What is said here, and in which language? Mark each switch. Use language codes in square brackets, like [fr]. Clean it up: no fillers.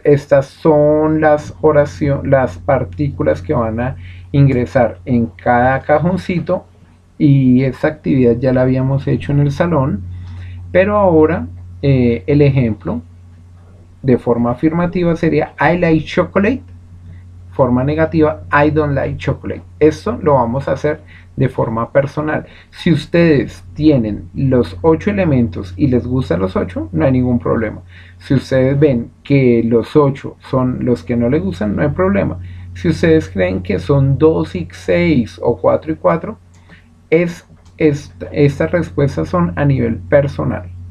[es] Estas son las partículas que van a ingresar en cada cajoncito. Y esta actividad ya la habíamos hecho en el salón. Pero ahora, el ejemplo de forma afirmativa sería [en] I like chocolate. [es] Forma negativa, [en] I don't like chocolate. [es] Esto lo vamos a hacer de forma personal. Si ustedes tienen los 8 elementos y les gustan los 8, no hay ningún problema. Si ustedes ven que los 8 son los que no les gustan, no hay problema. Si ustedes creen que son 2 y 6 o 4 y 4, estas respuestas son a nivel personal.